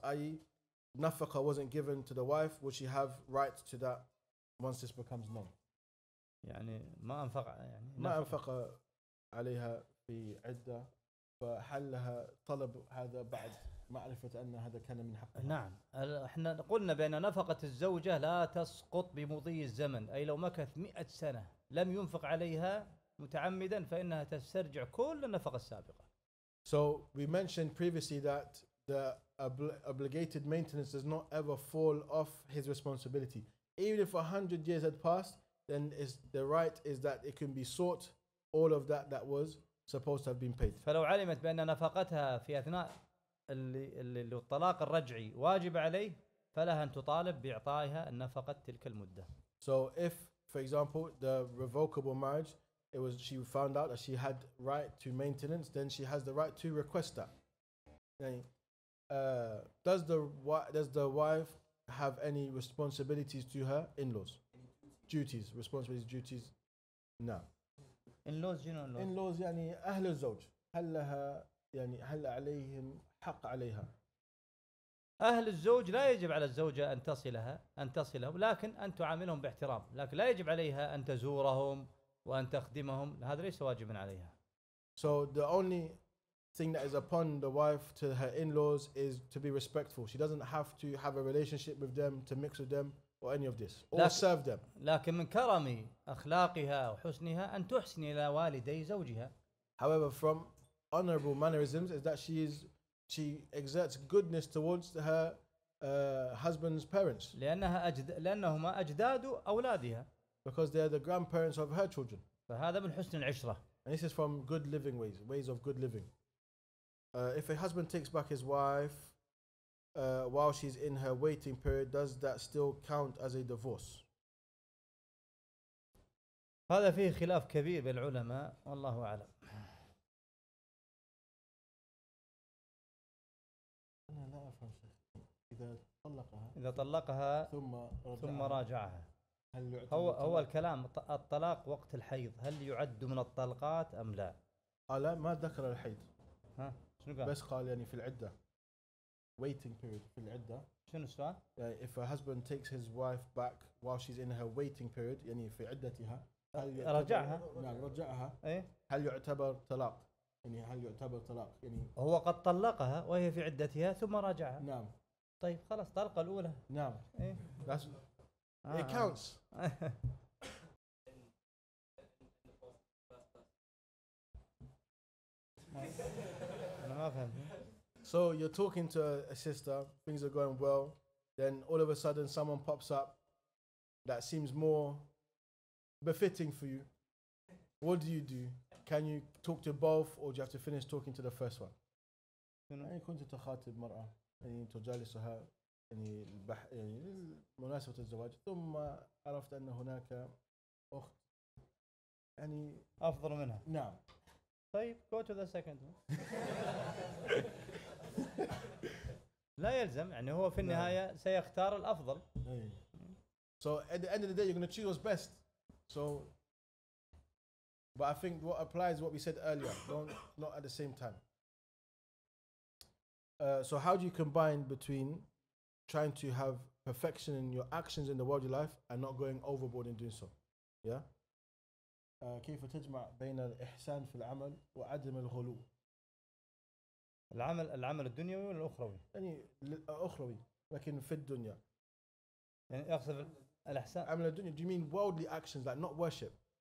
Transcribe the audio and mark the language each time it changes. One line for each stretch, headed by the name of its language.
English: I.e., nafaka wasn't given to the wife, would she have rights to that once this becomes known?
Arabic: يعني ما أنفق يعني ما أنفق عليها في عدة فحلها طلب هذا بعد معرفة أن هذا كان من حقها. نعم إحنا قلنا بأن نفقة الزوجة لا تسقط بمضي الزمن أي لو مكث 100 سنة لم ينفق عليها متعمدا فإنها تسترجع كل النفقة السابقة.
English: So we mentioned previously that the obligated maintenance does not ever fall off his responsibility. Even if 100 years had passed, then is the right is that it can be sought all of that was supposed to have been paid.
Arabic: فلو علمت بأن نفقتها في أثناء اللي الطلاق الرجعي واجب عليه فلها أن تطالب بإعطائها النفقة تلك المدة.
English: So if, for example, the revocable marriage, it was she found out that she had right to maintenance, then she has the right to request that. Yani, does the wife have any responsibilities to her in-laws? Duties, responsibilities, duties? No. In-laws, you know, in-laws.
Arabic: يعني أهل الزوج هل لها يعني هل عليهم حق عليها. أهل الزوج لا يجب على الزوجة أن تصلهم لكن أن تعاملهم باحترام لكن لا يجب عليها أن تزورهم وأن تخدمهم هذا ليس واجبا عليها.
English: So the only thing that is upon the wife to her in-laws is to be respectful. She doesn't have to have a relationship with them, to mix with them, or any of this, or serve them.
Arabic: لكن من كرمي أخلاقها وحسنها أن تحسن إلى والدي زوجها.
English: However, from honorable mannerisms is that she exerts goodness towards her husband's parents.
Arabic: لأنهما أجداد أولادها.
English: Because they are the grandparents of her children.
Arabic: فهذا من حسن العشرة.
English: And this is from good living ways of good living. If a husband takes back his wife while she's in her waiting period, does that still count as a divorce?
Arabic: هذا فيه خلاف كبير بين العلماء والله أعلم. أنا لا أفهم شيء. إذا طلقها. إذا طلقها. ثم راجعها. هو الكلام الطلاق وقت الحيض هل يعد من الطلقات أم لا؟ لا ما ذكر الحيض. ها؟ شنو قال؟ بس قال يعني في العدة.
English: waiting period
Arabic: في العدة. شنو السؤال؟
English: يعني if a husband takes his wife back while she's in her waiting period
Arabic: يعني في عدتها. رجعها. نعم رجعها. إيه. هل يعتبر طلاق؟ يعني هل يعتبر طلاق؟ يعني هو قد طلقها وهي في عدتها ثم راجعها. نعم. طيب خلاص طلقة الأولى. نعم. إيه.
English: It counts. So you're talking to a sister, things are going well, then all of a sudden someone pops up that seems more befitting for you. What do you do? Can you talk to both or do you have to finish talking to the first one?
Arabic: يعني كنت تخاطب مرأة يعني تجالسها يعني يعني مناسبة الزواج ثم عرفت أن هناك أخت يعني أفضل منها. نعم.
English: طيب go to the second one.
Arabic: لا يلزم يعني هو في النهاية سيختار الأفضل.
English: So at the end of the day you're gonna choose what's best. So but I think what applies what we said earlier, don't not at the same time. So how do you combine between trying to have perfection in your actions in the worldly life and not going overboard in doing so? Yeah.
Arabic: كيف تجمع بين الإحسان في العمل وعدم الغلو؟ العمل الدنيوي ولا الأخروي؟ يعني الأخروي لكن في الدنيا. يعني أقصد الإحسان. عمل الدنيا.
English: Do you mean worldly actions like not worship?